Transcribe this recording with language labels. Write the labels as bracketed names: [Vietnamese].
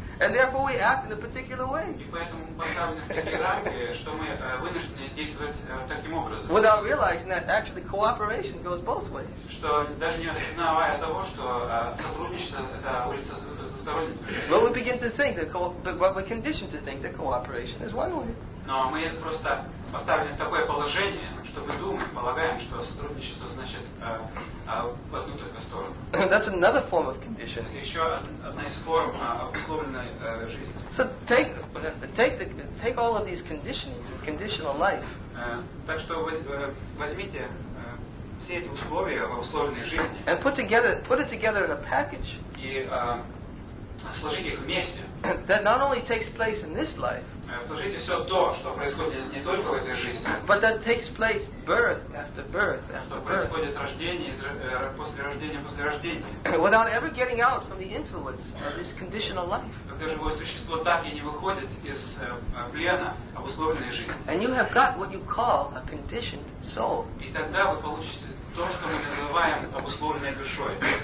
[English] And therefore we act in a particular way. Without realizing that actually cooperation goes both ways. But we begin to think that we're conditioned to think that cooperation is one way. [Russian] Но мы просто поставлены в такое положение, что мы думаем, полагаем, что сотрудничество значит в одну только сторону. [English] That's another form of condition. [Russian] Это еще одна из форм обусловленной жизни. [English] So take all of these conditions, conditional life. [Russian] Так что возьмите все эти условия в обусловленной жизни. [English] And put it together in a package. [Russian] И сложите их вместе. [English] That not only takes place in this life. [Russian] Служите все то, что происходит не только в этой жизни. [English] But that takes place birth after birth after birth. [Russian] Что происходит рождение после рождения после рождения. [English] Without ever getting out from the influence of this conditional life. [Russian] Когда живое существо так и не выходит из плена обусловленной жизни. [English] And you have got what you call a conditioned soul. [Russian] И тогда вы получите то, что мы называем обусловленной душой.